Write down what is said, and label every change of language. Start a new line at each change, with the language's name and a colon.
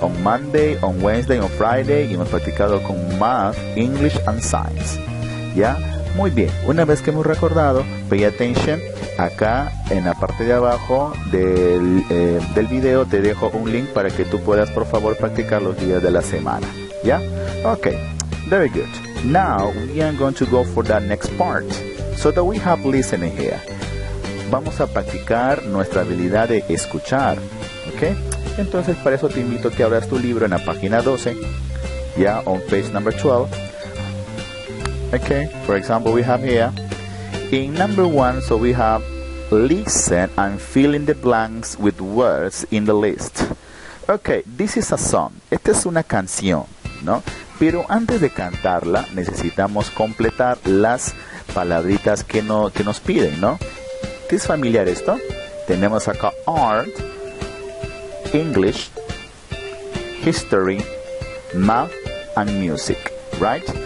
English: On Monday, on Wednesday, on Friday.
Spanish: Y hemos practicado con
English: Math, English, and Science.
Spanish: ¿Ya? Muy bien. Una vez que hemos recordado,
English: pay attention.
Spanish: Acá, en la parte de abajo del video, te dejo un link para que tú puedas, por favor, practicar los días de la semana.
English: ¿Ya? Ok. Very good. Now, we are going to go for that next part, so that we have listening here.
Spanish: Vamos a practicar nuestra habilidad de escuchar, ¿ok? Entonces, para eso te invito a que abras tu libro en la página 12, ya,
English: yeah, on page number 12. Okay. For example, we have here, in number one, so we have listen and fill in the blanks with words in the list. Okay, this is a song.
Spanish: Esta es una canción, ¿no? Pero antes de cantarla, necesitamos completar las palabritas que nos piden, ¿no? ¿Te es familiar esto? Tenemos acá art, English, history, math, and music, right?